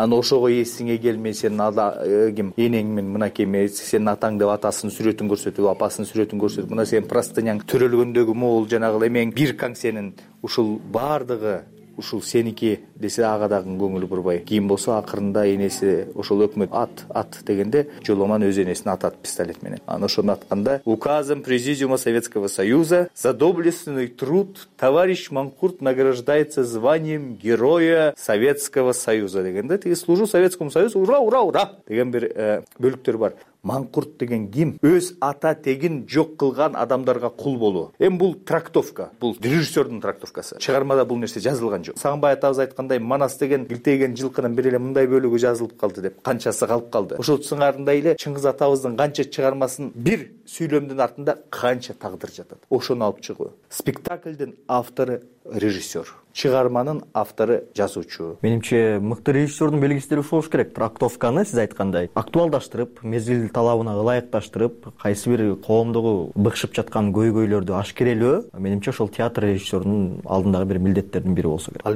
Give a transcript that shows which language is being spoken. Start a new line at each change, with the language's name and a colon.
Kyrgyz: Анан ошого эсиңе кел, мен сенин ким энең мен мынакей эмес, сенин атаң деп атасынын сүрөтүн көрсөтүп, апасынын сүрөтүн көрсөтүп, мына сенин простыняң төрөлгөндө мол жанагыл эмең бир каң сенин, ушул баардыгы ушул сеники десе ага дагы көңүл бурбай. Кийин болсо акырында энеси ошол өкмөт ат дегенде жоломан өз энесин атат пистолет менен. Анан ошону атканда
Russian: указом президиума Советского Союза за доблестный труд товарищ Манкурт награждается званием героя Советского Союза
Kyrgyz: дегенде тиги
Russian: служу Советскому Союзу, ура ура ура
Kyrgyz: деген бир бөлүктөр бар. Манкурт деген ким? Өз ата тегин жок кылган адамдарга кул болуу. Эми бул трактовка, бул режиссердун трактовкасы. Чыгармада бул нерсе жазылган жок. Сагынбай атабыз айткандай, Манас деген илтейген жылкынын бир эле мындай бөлүгү жазылып калды деп, канчасы калып калды. Ошол сыңарындай эле Чыңгыз атабыздын канча чыгармасын бир сүйлөмдүн артында канча тагдыр жатат. Ошону алып чыгуу. Спектакльдин автору режиссер. Чыгарманын автору жазуучу. Менимче мыкты режиссердун белгисидери ушул болуш керек. Трактовканы сиз айткандай актуалдаштырып, мезгил талабына ылайыкташтырып, кайсы бир коомдогу быкшып жаткан көйгөйлөрдү ашкерелөө менимче ошол театр режиссердун алдындагы бир милдеттердин бири болсо керек.